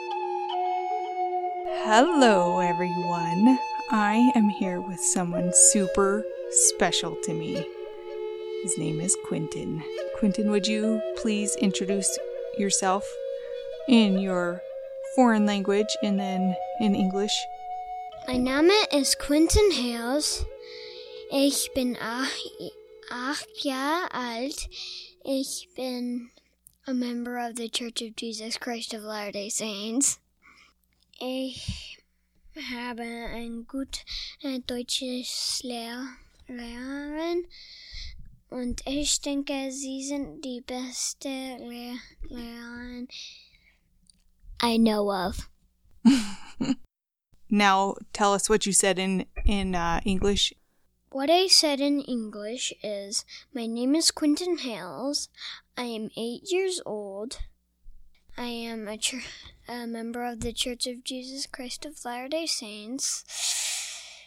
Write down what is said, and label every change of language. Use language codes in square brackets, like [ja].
[en] Hello, everyone. I am here with someone super special to me. His name is Quentin. Quentin, would you please introduce yourself in your foreign language and then in English? [de] Mein Name ist Quentin Hales. Ich bin 8 Jahre alt. Ich bin [en] a member of the Church of Jesus Christ of Latter-day Saints. [de] Ich habe ein gut deutsches Lehrerin und ich denke, sie sind die beste Lehrerin [en] I know of. Now tell us what you said in English. What I said in English is, my name is Quentin Hales. I am 8 years old. I am a member of the Church of Jesus Christ of Latter-day Saints.